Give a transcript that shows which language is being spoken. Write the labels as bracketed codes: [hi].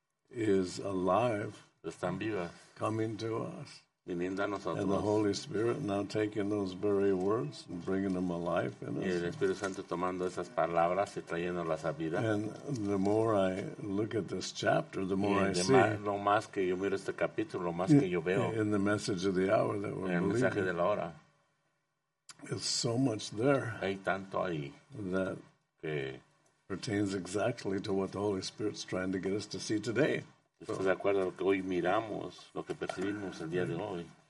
[en] Is alive. [es] Están vivas. [en] Coming to us. [es] Viniendo a nosotros. [en] And the Holy Spirit now taking those very words and bringing them alive in us. [es] Y el Espíritu Santo tomando esas palabras y trayéndolas a vida. [en] And the more I look at this chapter, the more I see. [es] Lo más que yo miro este capítulo, lo más que yo veo. [en] In the message of the hour that we're believing. [es] En el mensaje de la hora. [en] There's so much there. [es] Hay tanto ahí. [en] That [es] que [en] pertains exactly to what the Holy Spirit's trying to get us to see today. [es] ¿Estás de acuerdo a lo que hoy miramos, lo que percibimos el día de hoy?